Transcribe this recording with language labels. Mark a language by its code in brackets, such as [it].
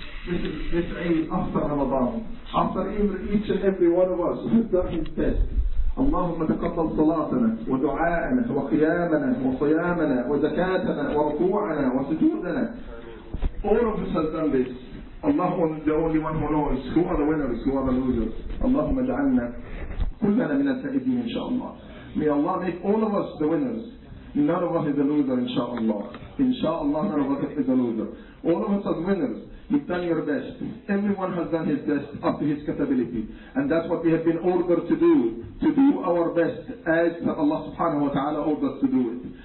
[en] this Eid after Ramadan, after each and every one of us who's done his best. [ar] اللهم تقبل صلاتنا ودعاءنا وقيامنا وصيامنا وزكاتنا وركوعنا وسجودنا. [en] All of us have done this. Allah is the only one who knows who are the winners, who are the losers. [ar] اللهم اجعلنا كلنا من السعيدين إن شاء الله. [en] May Allah make all of us the winners. None of us is a loser, inshaAllah. InshaAllah, none of us is a loser. All of us are winners. You've done your best. Everyone has done his best up to his capability. And that's what we have been ordered to do. To do our best as Allah subhanahu wa ta'ala ordered to do it.